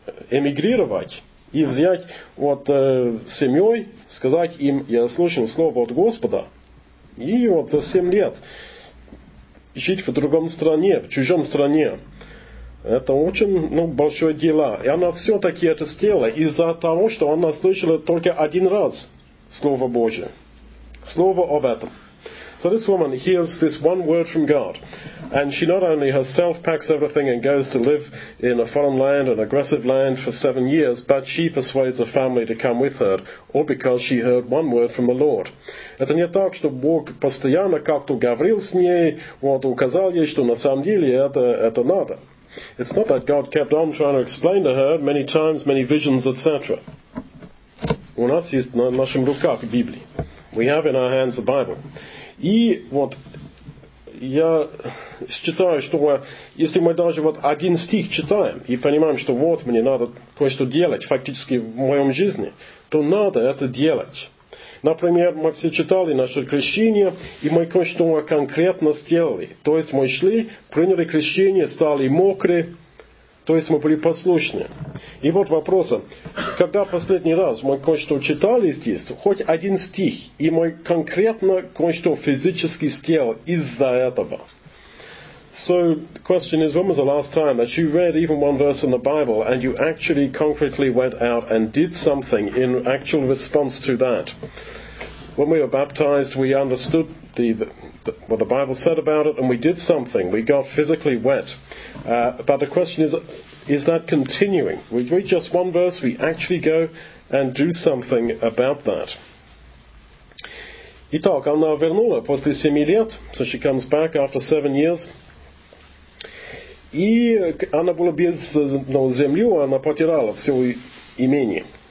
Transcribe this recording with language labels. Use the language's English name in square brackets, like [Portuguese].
[Russian] Эмигрировать и взять вот семьей, сказать им, я слышал слово от Господа, и вот за 7 лет жить в другом стране, в чужом стране, это очень большое дело. И она все-таки это сделала из-за того, что она слышала только один раз слово Божие. Слово об этом. [English] So this woman hears this one word from God, and she not only herself packs everything and goes to live in a foreign land, an aggressive land, for 7 years, but she persuades her family to come with her, all because she heard one word from the Lord. [Russian] Это не так, что Бог постоянно как-то говорил с ней, вот указал ей, что на самом деле это надо. [English] It's not that God kept on trying to explain to her many times, many visions, etc. [Russian] У нас есть на нашем руках Библии. [English] We have in our hands the Bible. [Russian] И вот я считаю, что если мы даже вот один стих читаем и понимаем, что вот мне надо кое-что делать фактически в моем жизни, то надо это делать. Например, мы все читали наше крещение, и мы кое-что конкретно сделали. То есть мы шли, приняли крещение, стали мокрые, то есть мы были послушны. И вот вопрос, когда последний раз мы кое-что читали здесь, хоть один стих, и мы конкретно кое-что физически сделали из-за этого? [English] So, the question is, when was the last time that you read even one verse in the Bible and you actually concretely went out and did something in actual response to that? When we were baptized, we understood what the Bible said about it, and we did something. We got physically wet. But the question is that continuing? We read just one verse, we actually go and do something about that. [Russian] Итак, она вернула после 7 лет. [English] So she comes back after 7 years. [Russian] И она была без земли, она потеряла все имение.